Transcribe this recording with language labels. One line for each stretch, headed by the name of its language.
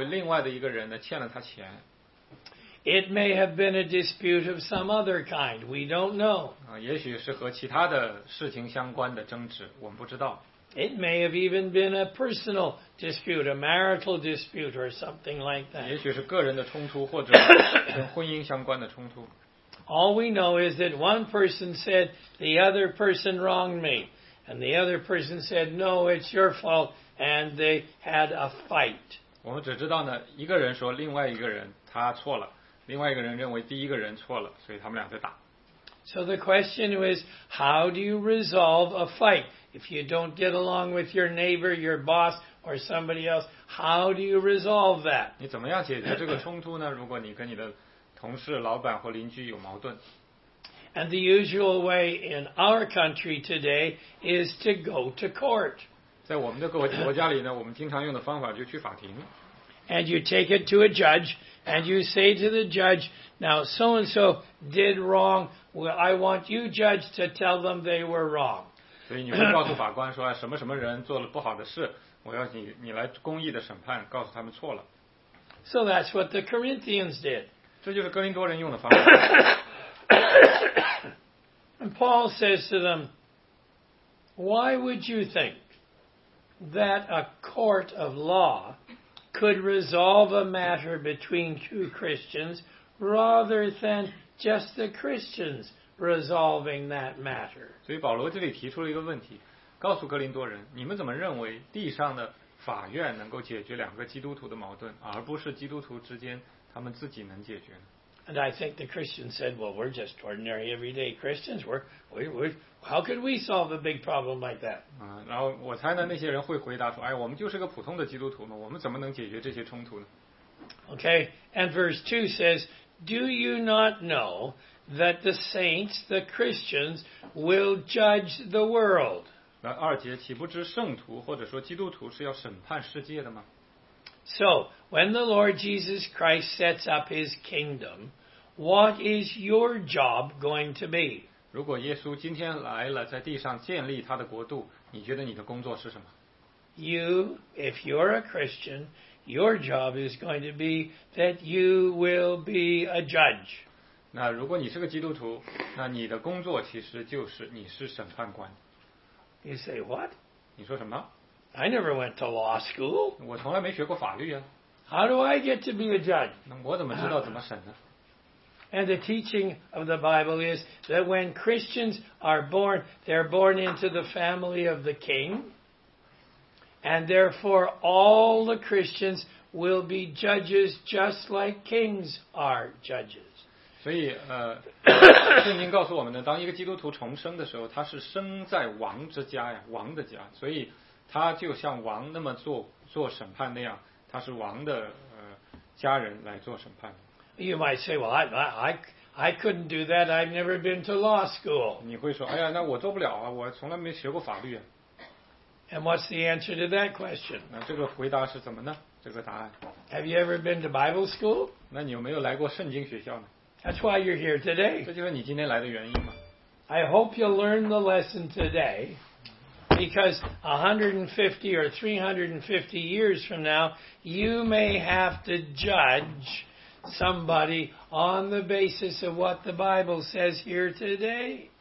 English: It may have been a dispute of some other kind. We don't know.
Chinese: 也许是和其他的事情相关的争执，我们不知道。
English: It may have even been a personal dispute, a marital dispute, or something like that.
Chinese: 也许是个人的冲突，或者跟婚姻相关的冲突。
English: All we know is that one person said the other person wronged me, and the other person said, "No, it's your fault." And they had a fight.
Chinese: 我们只知道呢，一个人说另外一个人他错了，另外一个人认为第一个人错了，所以他们俩在打。
English: So the question is, how do you resolve a fight if you don't get along with your neighbor, your boss, or somebody else? How do you resolve that?
Chinese: 你怎么样解决这个冲突呢？如果你跟你的同事、老板或邻居有矛盾。
English: And the usual way in our country today is to go to court.
Chinese: 在我们的国家里呢，我们经常用的方法就去法庭。
English: And you take it to a judge, and you say to the judge, "Now, so and so did wrong. Well, I want you, judge, to tell them they were wrong."
Chinese: 所以你会告诉法官说，什么什么人做了不好的事，我要你来公义的审判，告诉他们错了。
English: So that's what the Corinthians did.
Chinese: 这就是哥林多人用的方法。
English: And Paul says to them, why would you think that a court of law could resolve a matter between two Christians rather than just the Christians resolving that matter?
Chinese: 所以保罗这里提出了一个问题，告诉哥林多人，你们怎么认为地上的法院能够解决两个基督徒的矛盾，而不是基督徒之间他们自己能解决呢？
English: And I think the Christians said, well, we're just ordinary everyday Christians. How could we solve a big problem like that?
Chinese: 然后我猜呢，那些人会回答说，哎，我们就是个普通的基督徒嘛，我们怎么能解决这些冲突呢？
English: Okay, and verse 2 says, do you not know that the saints, the Christians, will judge the world?
Chinese: 那二节，岂不知圣徒或者说基督徒是要审判世界的吗？
English: So, when the Lord Jesus Christ sets up his kingdom, what is your job going to be?
Chinese: 如果耶稣今天来了，在地上建立他的国度，你觉得你的工作是什么？
English: You, if you're a Christian, your job is going to be that you will be a judge.
Chinese: 那如果你是个基督徒，那你的工作其实就是你是审判官。
English: You say what?
Chinese: 你说什么？
English: I never went to law school.
Chinese: 我从来没学过法律啊。
English: How do I get to be a judge?
Chinese: 那我怎么知道怎么审呢？
English: And the teaching of the Bible is that when Christians are born, they're born into the family of the king, and therefore all the Christians will be judges just like kings are judges.
Chinese: 所以圣经告诉我们呢，当一个基督徒重生的时候，他是生在王之家呀，王的家，所以他就像王那么做审判那样，他是王的家人来做审判。
English: You might say, well, I couldn't do that. I've never been to law school.
Chinese: 你会说，哎呀，那我做不了啊，我从来没学过法律。
English: And what's the answer to that question?
Chinese: 那这个回答是怎么呢？这个答案。
English: Have you ever been to Bible school?
Chinese: 那你有没有来过圣经学校呢？
English: That's why you're here today.
Chinese: 这就是你今天来的原因吗？
English: I hope you learn the lesson today. Because 150 or 350 years from now, you may have to judge somebody on the basis of what the Bible says here today.